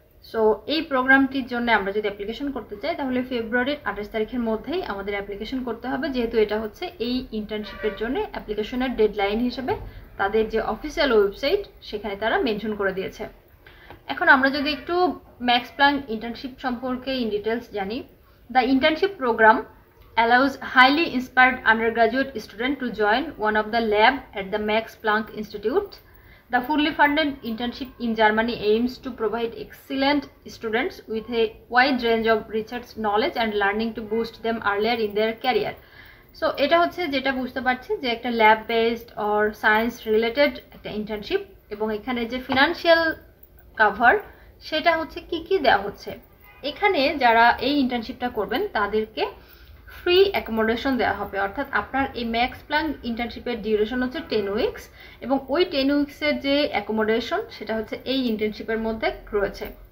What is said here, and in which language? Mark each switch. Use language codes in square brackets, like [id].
[bn] So এই প্রোগ্রামটির জন্য আমরা যদি অ্যাপ্লিকেশন করতে চাই তাহলে ফেব্রুয়ারির 28 তারিখের মধ্যেই আমাদের অ্যাপ্লিকেশন করতে হবে, যেহেতু এটা হচ্ছে এই ইন্টার্নশিপের জন্য অ্যাপ্লিকেশনের ডেডলাইন হিসেবে তাদের যে অফিসিয়াল ওয়েবসাইট সেখানে তারা মেনশন করে দিয়েছে। এখন আমরা যদি একটু ম্যাক্স প্লাঙ্ক ইন্টার্নশিপ সম্পর্কে ইন ডিটেলস জানি, [en] The internship programme allows highly inspired undergraduate student to join one of the lab at the Max Planck Institute. The fully funded internship in Germany aims to provide excellent students with a wide range of research knowledge and learning to boost them earlier in their career. [bn] So, এটা হচ্ছে যেটা বুঝতে পারছি যে একটা lab based or science related একটা internship এবং এখানে যে ফিনান্সিয়াল কভার সেটা হচ্ছে কী কী দেওয়া হচ্ছে। এখানে যারা এই ইন্টার্নশিপটা করবেন তাদেরকে ফ্রি অ্যাকোমোডেশন দেওয়া হবে, অর্থাৎ আপনার এই ম্যাক্স প্লাঙ্ক ইন্টার্নশিপের ডিউরেশন হচ্ছে 10 উইকস এবং ওই 10 উইকসের যে অ্যাকোমোডেশন সেটা হচ্ছে এই ইন্টার্নশিপের মধ্যে রয়েছে।